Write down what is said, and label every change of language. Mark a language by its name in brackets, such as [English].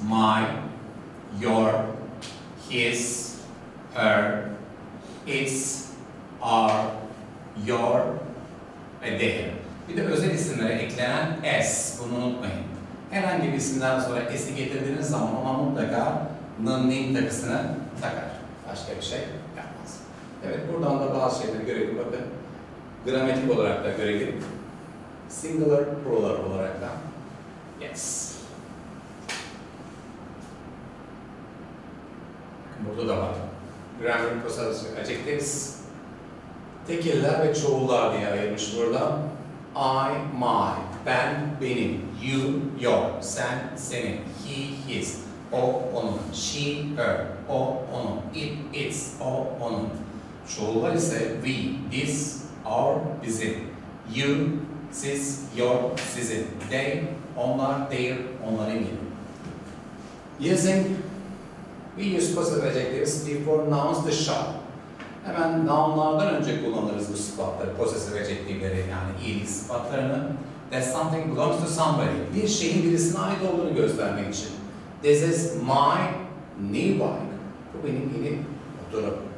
[English] My, your, his, her, its, our, your ve their. [Turkish] Bir de özel isimlere eklenen s, bunu unutmayın. Herhangi bir isimden sonra s'i getirdiğiniz zaman ona mutlaka n'ın takısını takar. Başka bir şey yok. Evet, buradan da bazı şeyleri görelim. Bakın, gramatik olarak da görelim. [English] Singular, plural olarak da. Yes. [Turkish] Burada da var. [English] Grammar process adjectives. [Turkish] Tekiller ve çoğullar diye ayırmış burada. [English] I, my, ben, benim, you, your, sen, senin, he, his, o, onun, she, her, o, onun, it, its, o, onun. [Turkish] Çoğullar ise we, this, our, bizim, you, siz, your, sizin, they, onlar, their, onların gibi. [English] Using, we use possessive adjectives before nouns the shop. [Turkish] Hemen noun'lardan önce kullanırız bu sıfatları, possessive adjectiveleri, yani iyilik sıfatlarını. [English] That something belongs to somebody. [Turkish] Bir şeyin birisine ait olduğunu göstermek için. [English] This is my new bike. [Turkish] Bu benim yeni motorum.